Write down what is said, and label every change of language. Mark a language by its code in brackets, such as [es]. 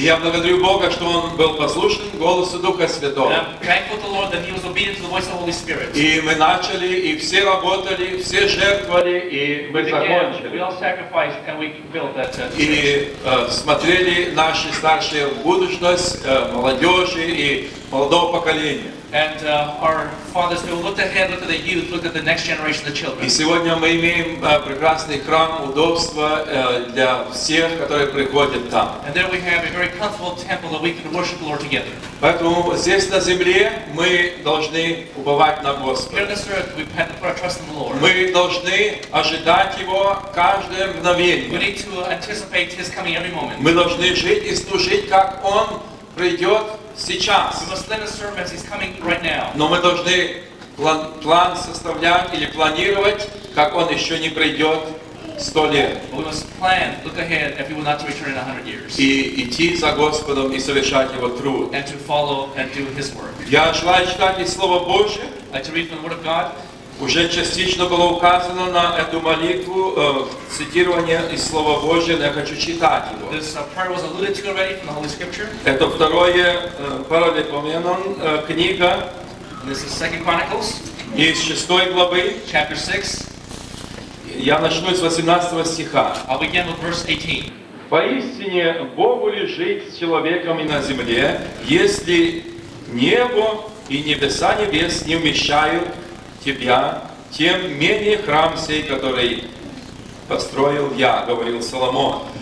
[ru] Я благодарю Бога, что он был послушен голосу Духа Святого. [en] And I'm thankful to the Lord that he was obedient to the voice of the Holy Spirit. [ru] И мы начали, и все работали, все жертвовали, и мы закончили. [en] We all sacrificed and we built that church. [ru] И смотрели наши старшие в будущность, молодежи и молодого поколения. [en] And our fathers, they looked ahead, looked at the youth, looked at the next generation of children. [ru] И сегодня мы имеем прекрасный храм, удобство для всех, которые приходят там. [en] And then we have a very comfortable temple that we can worship the Lord together. [ru] Поэтому здесь на земле мы должны уповать на Господа. [en] Here on this earth, we have to put our trust in the Lord. [ru] Мы должны ожидать Его каждое мгновение. [en] We need to anticipate His coming every moment. [ru] Мы должны жить и служить, как Он придет. Сейчас. [en] We must live as servants. He's coming right now. [ru] Но мы должны план составлять или планировать, как он еще не придет 100 лет. [en] We must plan, look ahead, if he will not return in 100 years. [ru] И идти за Господом и совершать Его труд. [en] And to follow and do His work. [ru] Я желаю читать из Слова Божье. [en] I to read from the Word of God. [ru] Уже частично было указано на эту молитву цитирование из Слова Божьего, но я хочу читать его. [en] This prayer was alluded to already from the Holy Scripture. [ru] Это второе Паралипоменон, книга. [en] This is Second Chronicles. [ru] Из шестой главы. [en] Chapter 6. [ru] Я начну с 18 стиха. [en] I'll begin with verse 18. [ru] Поистине, Богу ли жить с человеком и на земле, если небо и небеса небес не вмещают тебя, тем менее храм сей, который построил я, говорил Соломон.